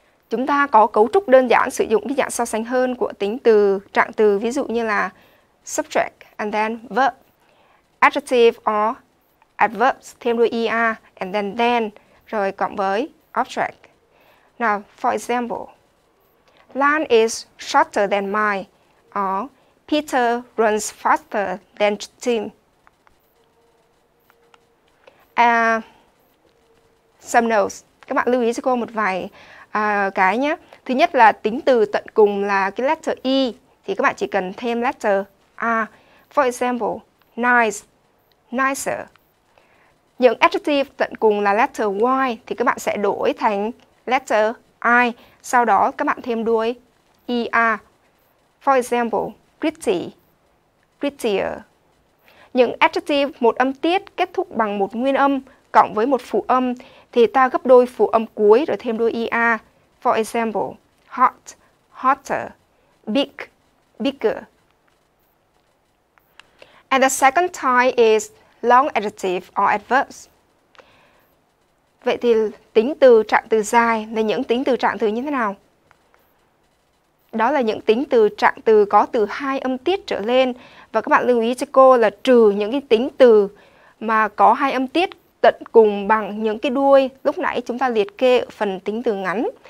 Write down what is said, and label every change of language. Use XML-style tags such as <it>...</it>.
<vi>Chúng ta có cấu trúc đơn giản sử dụng cái dạng so sánh hơn của tính từ trạng từ, ví dụ như là subject and then verb, adjective or adverbs thêm đuôi er and then rồi cộng với object.</vi> <en>Now for example, Lan is shorter than mine or Peter runs faster than Tim. Some notes.</en> <vi>Các bạn lưu ý cho cô một vài cái nhé. Thứ nhất là tính từ tận cùng là cái letter E thì các bạn chỉ cần thêm letter A.</vi> <en>For example, nice, nicer.</en> <vi>Những adjective tận cùng là letter Y thì các bạn sẽ đổi thành letter I. Sau đó các bạn thêm đuôi ER.</vi> <en>For example, pretty, prettier.</en> <vi>Những adjective một âm tiết kết thúc bằng một nguyên âm cộng với một phụ âm thì ta gấp đôi phụ âm cuối rồi thêm đôi er.</vi> <en>For example, hot, hotter. big, bigger. And the second type is long adjective or adverbs.</en> <vi>Vậy thì tính từ trạng từ dài là những tính từ trạng từ như thế nào? Đó là những tính từ trạng từ có từ hai âm tiết trở lên. Và các bạn lưu ý cho cô là trừ những cái tính từ mà có hai âm tiết tận cùng bằng những cái đuôi lúc nãy chúng ta liệt kê ở phần tính từ ngắn.</vi>